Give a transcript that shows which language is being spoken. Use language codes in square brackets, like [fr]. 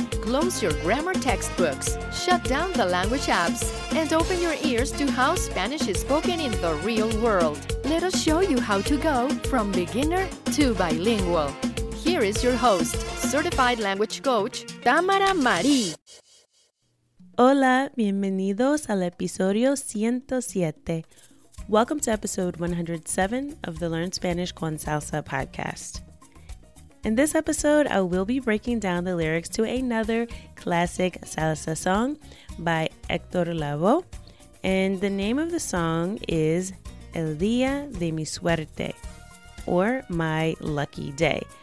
[en] Close your grammar textbooks, shut down the language apps, and open your ears to how Spanish is spoken in the real world. Let us show you how to go from beginner to bilingual. Here is your host, certified language coach, Tamara Marie. [es] Hola, bienvenidos al episodio 107. [en] Welcome to episode 107 of the Learn Spanish con Salsa podcast. In this episode, I will be breaking down the lyrics to another classic salsa song by Héctor Lavoe, and the name of the song is El Día de Mi Suerte, or My Lucky Day.